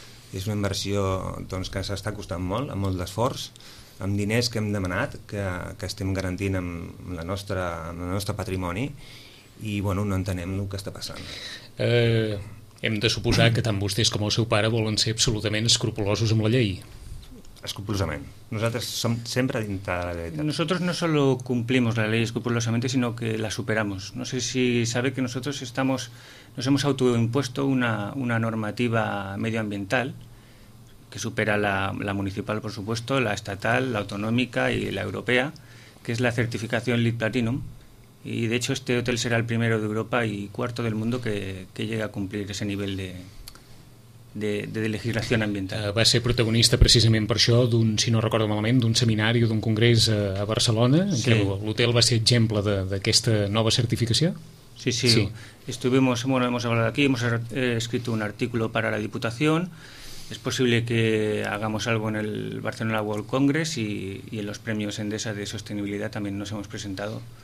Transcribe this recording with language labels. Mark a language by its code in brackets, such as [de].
[ca] És una inversió, doncs, que s'està costant molt, amb molt d'esforç, amb diners que hem demanat, que estem garantint amb el nostre patrimoni, i bueno, no entenem el que està passant. Hem de suposar que tant vostès com el seu pare volen ser absolutament escrupulosos amb la llei. Escrupulosament. Nosaltres som sempre dintre de la llei. [es] Nosotros no solo cumplimos la ley escrupulosamente, sino que la superamos. No sé si sabe que nosotros nos hemos autoimpuesto una normativa medioambiental que supera la municipal, por supuesto, la estatal, la autonómica y la europea, que es la certificación LEED Platinum. Y de hecho este hotel será el primero de Europa y cuarto del mundo que llegue a cumplir ese nivel de legislación ambiental. [ca] Va ser protagonista precisament per això d'un, si no recordo malament, d'un seminari o d'un congrés a Barcelona, en què l'hotel va ser exemple d'aquesta nova certificació. Sí. [es] Hemos hablado aquí, hemos escrito un artículo para la Diputación. Es posible que hagamos algo en el Barcelona World Congress y en los premios Endesa de sostenibilidad también nos hemos presentado.